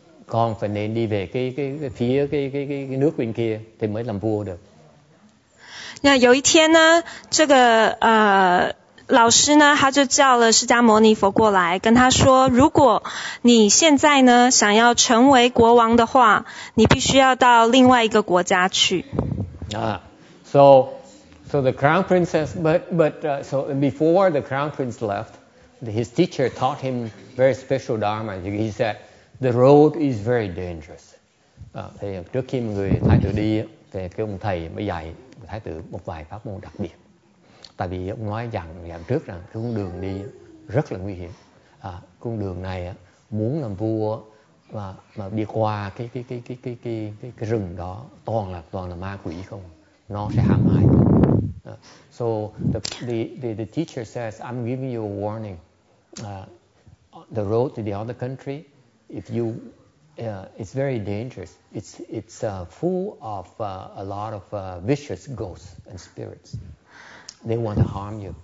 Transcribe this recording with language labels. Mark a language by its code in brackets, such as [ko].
[vi] con phải nên đi về cái phía cái nước bên kia thì mới làm vua được. [zh] 那有一天呢，这个老师呢，他就叫了释迦牟尼佛过来，跟他说：“如果你现在呢想要成为国王的话，你必须要到另外一个国家去。” [en] 啊，so so the crown princess, but so before the crown prince left, his teacher taught him very special dharma. He said, "The road is very dangerous." [zh] 啊，所以 [vi] trước khi người thái tử đi, thì cái ông thầy mới dạy thái tử một vài pháp môn đặc biệt. Tại vì ông nói rằng dạng trước rằng cái con đường đi rất là nguy hiểm. À, con đường này muốn làm vua mà đi qua cái rừng đó toàn là ma quỷ không, nó sẽ hãm hại. [en] So the teacher says, I'm giving you a warning. The road to the other country, if you it's very dangerous. It's full of a lot of vicious ghosts and spirits. They want to harm you.